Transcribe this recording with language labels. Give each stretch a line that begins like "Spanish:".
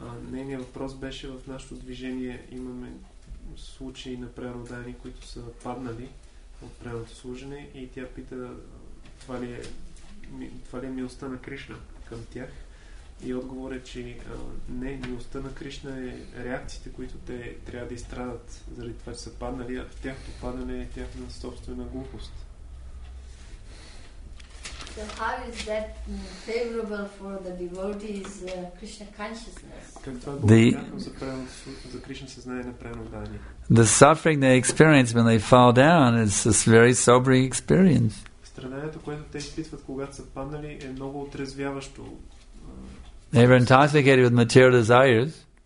Bulgarian: Нейният въпрос беше, в нашето движение имаме случаи на преднададени, които са паднали от правилното служене, и тя пита, това ли е милостта на Кришна към тях. И отговор е, че не, милостта на Кришна е реакциите, които те трябва да изстрадат заради това, че са паднали, а в тяхното падане е тяхна собствена глупост.
English: So how is that favorable for the devotees Krishna consciousness?
Bulgarian: Как това е благоприятно за Кришна съзнание на преднададени?
English: The suffering they experience when they fall down is a very sobering experience.
Bulgarian: Страданието, което те изпитват, когато са паднали, е много отрезвяващо.
English: They were intoxicated with material desires.